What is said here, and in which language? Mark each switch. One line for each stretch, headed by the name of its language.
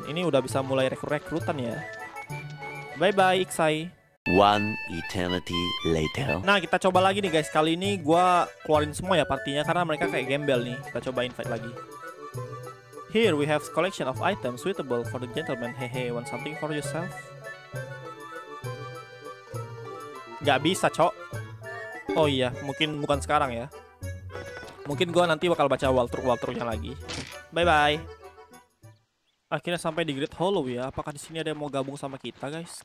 Indonesian: Ini udah bisa mulai rekrutan ya.
English: Bye bye Ixai. One eternity later.
Indonesian: Nah, kita coba lagi nih guys. Kali ini gua keluarin semua ya partinya karena mereka kayak gembel nih. Kita coba invite lagi.
English: Here we have collection of items suitable for the gentleman. Hehe, want something for yourself?
Indonesian: Gak bisa, cok. Oh iya, mungkin bukan sekarang ya. Mungkin gua nanti bakal baca Waltruk-Waltruknya lagi.
English: Bye bye.
Indonesian: Akhirnya sampai di Great Hollow ya. Apakah di sini ada yang mau gabung sama kita, guys?